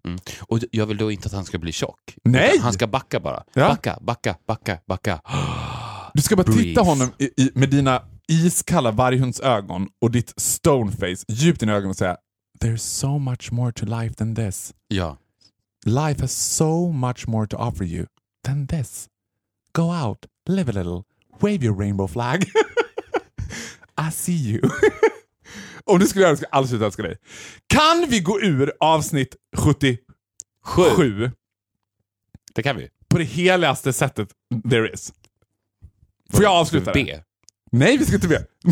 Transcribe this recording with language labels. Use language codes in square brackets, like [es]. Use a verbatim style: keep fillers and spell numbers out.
[sv] Mm. Och jag vill då inte att han ska bli tjock. Nej. Han ska backa bara. Ja. Backa, backa, backa, backa. Du ska bara [en] Breathe. [sv] titta honom i, i, med dina... iskalla varghundsögon och ditt stoneface djupt i dina ögon och säga [en] there's so much more to life than this. [sv] Ja. [en] Life has so much more to offer you than this. Go out, live a little, wave your rainbow flag. I see you. [sv] Om du skulle göra det skulle jag alldeles älska dig. Kan vi gå ur avsnitt sjuttiosju? Sju. Det kan vi. På det heligaste sättet [en] there is. [sv] Får jag avsluta det? B. Nej, vi ska inte be.